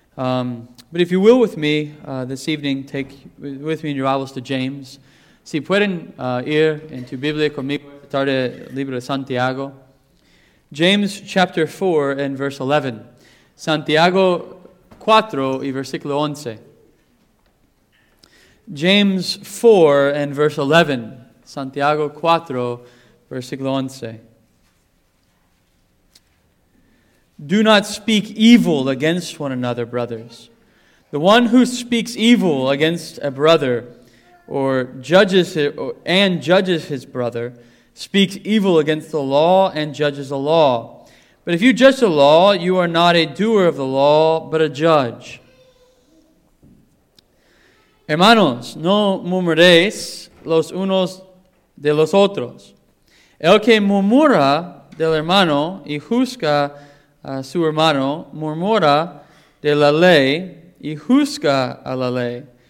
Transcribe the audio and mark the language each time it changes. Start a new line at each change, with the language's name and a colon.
English: But if you will with me this evening, take with me in your Bibles to James.
Spanish: Si pueden ir en tu Biblia conmigo esta tarde, el libro de Santiago.
English: James chapter 4 and verse 11.
Spanish: Santiago 4 y versículo 11.
English: James 4 and verse 11.
Spanish: Santiago 4, versículo 11.
English: Do not speak evil against one another, brothers. The one who speaks evil against a brother or judges his brother speaks evil against the law and judges the law. But if you judge the law, you are not a doer of the law, but a judge.
Spanish: Hermanos, no murmuréis los unos de los otros. El que murmura del hermano y juzga a su hermano, murmura de la ley y juzga a la ley.